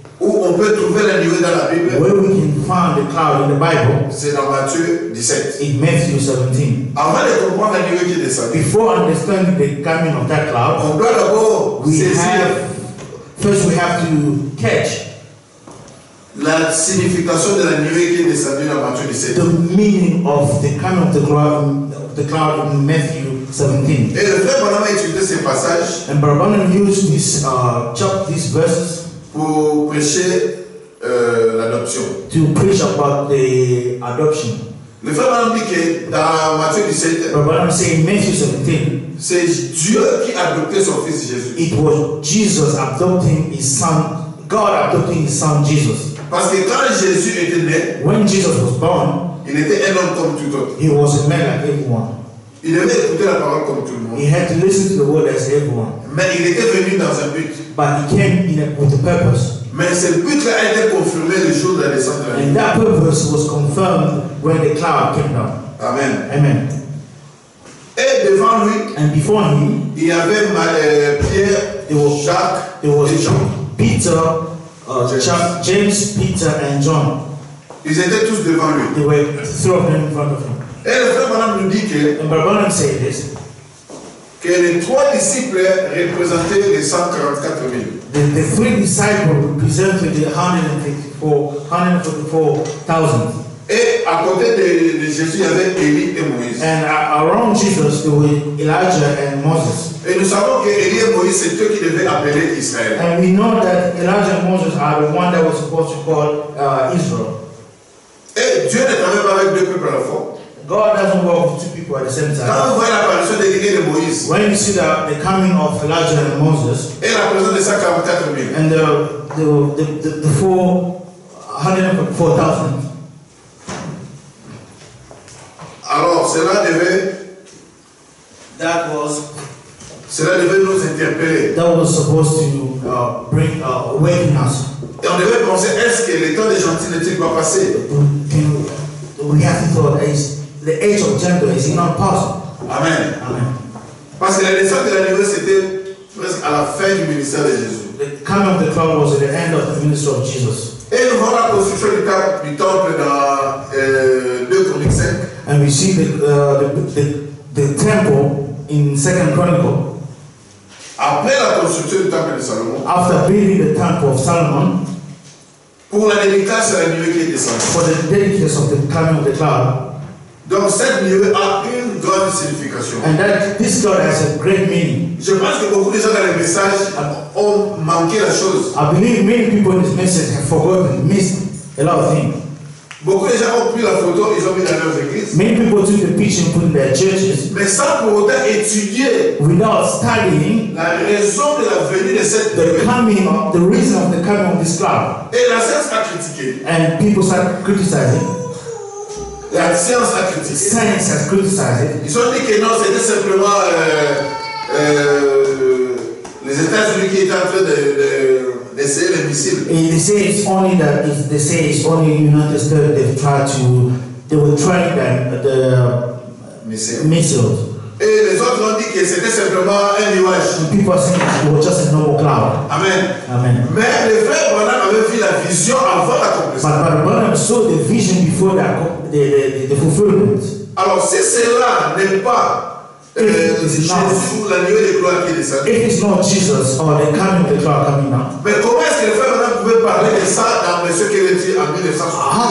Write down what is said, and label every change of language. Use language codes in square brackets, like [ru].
[fr] où on peut trouver la nuée dans la Bible, [en] where we can find the cloud in the Bible, [fr] c'est dans Matthieu 17. [en] In Matthew 17. [fr] Avant de comprendre la nuée qui descend, [en] before understanding the coming of that cloud, [fr] on doit d'abord [en] we have to catch [fr] la signification de la nuée qui est descendue dans Matthieu 17. [en] The meaning of the coming of the cloud in Matthew 17. [fr] Et le frère Bonhomme a étudié ce passage. [en] And Barbana used this chapter, these verses, [fr] pour prêcher l'adoption. [en] To preach about the adoption. [fr] Le frère Bonhomme dit que dans Matthieu 17, [en] Barbana said in Matthew 17, [fr] c'est Dieu qui a adopté son fils Jésus. [en] It was Jesus adopting his son. God adopting his son Jesus. [fr] Parce que quand Jésus était né, [en] when Jesus was born, [fr] il était un homme comme tout autre. [en] He was a man like everyone. [fr] Il devait écouter la parole comme tout le monde. [en] He had to listen to the word as everyone. [fr] Mais il était venu dans un but. [en] But he came in with a purpose. [fr] Mais ce but a été confirmé le jour de la descente. [en] And that purpose was confirmed when the cloud came down. [fr] Amen. [en] Amen. [fr] Et devant lui, [en] and before him, [fr] il y avait Pierre, [en] there was [fr] Jacques, [en] there was et Jean. Peter, James, Peter and John. [fr] Ils étaient tous devant lui. [en] They were three of them in front of him. [fr] Et le frère Branham nous dit que, [en] and Brother Branham said this, [fr] que les trois disciples représentaient les 144,000. [en] The three disciples represented the 144,000. [fr] Et à côté de Jésus, il y avait Élie et Moïse. [en] And around Jesus, there were Elijah and Moses. [fr] Et nous savons que Élie et Moïse, c'est eux qui devaient appeler Israël. [en] And we know that Elijah and Moses are the one that was supposed to call Israel. [fr] Et Dieu ne travaille pas avec deux peuples à la fois. [en] God doesn't work with two people at the same time. [fr] Quand vous voyez l'apparition de Élie et de Moïse, [en] when you see the coming of Elijah and Moses, [fr] et la présence de 144,000, [en] and the 144,000. [fr] Alors, cela devait, [en] that was, [fr] cela devait nous interpeller. [en] That was supposed to bring awaken us. [fr] Et on devait penser, est-ce que le temps des gentils n'est-il pas passé? [en] We have to thought, is the age of gentle, is it not past? [fr] Amen. [en] Amen. [fr] Parce que la descente de la nuée, c'était presque à la fin du ministère de Jésus. [en] The coming of the cloud was at the end of the ministry of Jesus. [fr] Et nous voyons la construction du temple dans 2 Chroniques 5. [en] And we see the temple in 2 Chronicles. [fr] Après la construction du temple de Salomon, [en] after building the temple of Solomon, [fr] pour la dédicace à la nuée qui est descendue, [en] for the dedication of the coming of the cloud. [fr] Donc cette nuée a une grande signification. [en] And that this cloud has a great meaning. [fr] Je pense que beaucoup de gens dans les messages ont manqué la chose. [en] I believe many people in this message have forgotten, missed a lot of things. [fr] Beaucoup de gens ont pris la photo, ils ont mis dans leurs églises. [en] Many people took the picture and put in their churches. [fr] Mais sans pour autant étudier, [en] without studying, [fr] la raison de la venue de cette, [en] the coming, the reason of the coming of this cloud. [fr] Et la science a critiqué. [en] And people start criticizing. [fr] La science a critiqué. [en] Science has criticized it. [fr] Ils ont dit que non, c'était simplement les États-Unis qui étaient en train de [en] and they say it's only that, if they say it's only United States, they've tried to, they were trying them, the missiles. [fr] Et les autres ont dit que c'était simplement un nuage. [en] And people are saying it was just a normal cloud. [fr] Amen. [en] Amen. [fr] Mais le frère Branham avait vu la vision avant la compréhension. [en] But Branham saw the vision before the fulfillment. [fr] Alors si cela n'est pas [en] if it's not Jesus or the coming of the cloud coming now. [fr] Mais comment est-ce que le frère Branham pouvait parler de ça dans Monsieur Kennedy en 1960?